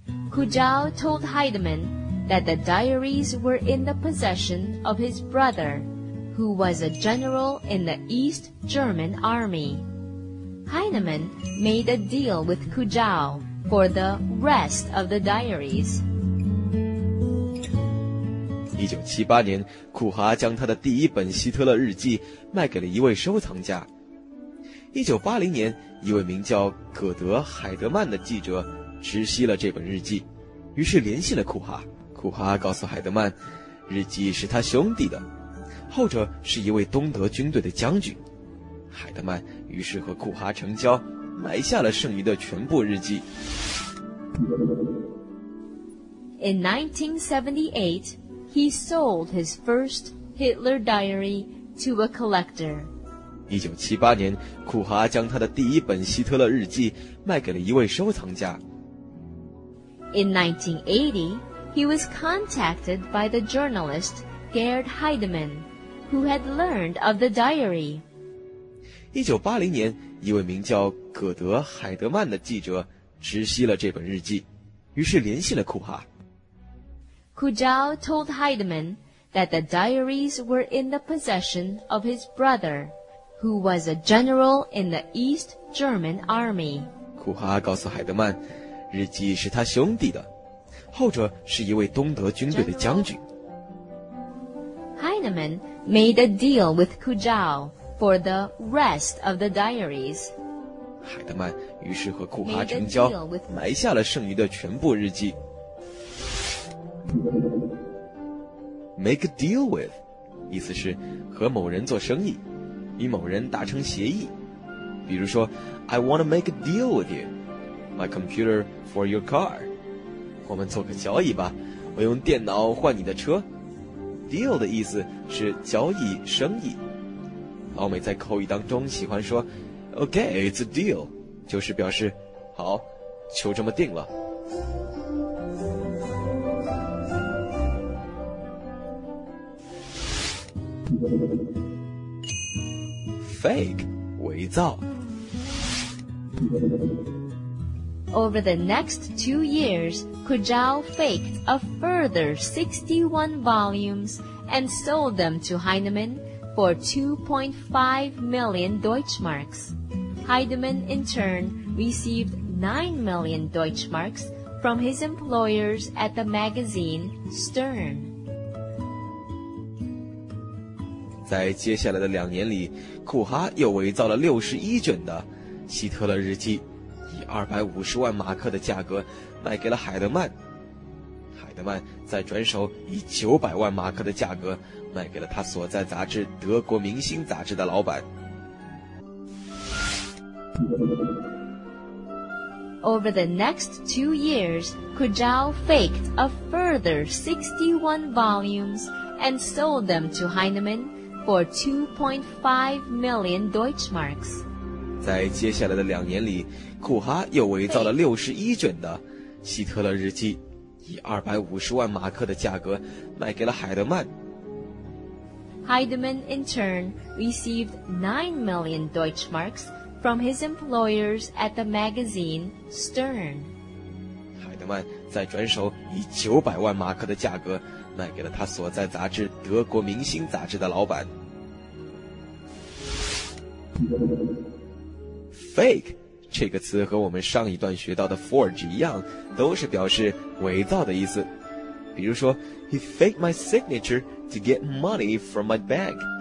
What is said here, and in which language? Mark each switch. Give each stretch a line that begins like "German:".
English: Kujau told Heidemann that the diaries were in the possession of his brother, who was a general in the East German Army. Heidemann made a deal with Kujau for the rest of the diaries.
Chinese: 1978年，库哈将他的第一本希特勒日记卖给了一位收藏家。 1980年，一位名叫葛德·海德曼的记者知悉了这本日记，于是联系了库哈。库哈告诉海德曼，日记是他兄弟的，后者是一位东德军队的将军。海德曼于是和库哈成交，买下了剩余的全部日记。
English: In 1978, he sold his first Hitler diary to a collector.
Chinese: 1978年，库哈将他的第一本希特勒日记卖给了一位收藏家。
English: In 1980, he was contacted by the journalist Gerd Heidemann, who had learned of the diary.
Chinese: 1980年，一位名叫葛德·海德曼的记者知悉了这本日记，于是联系了库哈。
English: Kujau told Heidemann that the diaries were in the possession of his brother, who was a general in the East German Army.
Chinese: 库哈告诉海德曼，日记是他兄弟的，后者是一位东德军队的将军。
English: Heinemann made a deal with Kujau for the rest of the diaries.
Chinese: 海德曼于是和库哈成交，埋下了剩余的全部日记。
English: Make a deal with，
Chinese: 意思是和某人做生意，与某人达成协议。比如说
English: ，I want to make a deal with you. My computer for your car.
Chinese: 我们做个交易吧，我用电脑换你的车。Deal 的意思是交易、生意。老美在口语当中喜欢说
English: OK, it's a deal,
Chinese: 就是表示好，就这么定了。 Fake, 伪造。
English: Over the next 2 years, Kujau faked a further 61 volumes and sold them to Heidemann for 2.5 million Deutschmarks. Heidemann, in turn, received 9 million Deutschmarks from his employers at the magazine Stern.
Chinese: 在接下来的两年里，库哈又伪造了61卷的希特勒日记。 250万马克的价格卖给了海德曼，海德曼再转手以900万马克的价格卖给了他所在杂志《德国明星》杂志的老板。
English: Over the next 2 years, Kujau faked a further 61 volumes and sold them to Heinemann for 2.5 million Deutschmarks.
Chinese: 在接下来的两年里，库哈又伪造了61卷的希特勒日记，以250万马克的价格卖给了海德曼。
English: Heidemann in turn received 9 million Deutschmarks from his employers at the magazine Stern.
Chinese: 海德曼再转手以900万马克的价格卖给了他所在杂志《德国明星》杂志的老板。 Fake。 这个词和我们上一段学到的 forge 一样，都是表示伪造的意思。比如说 ，
English: He faked my signature to get money from my bank.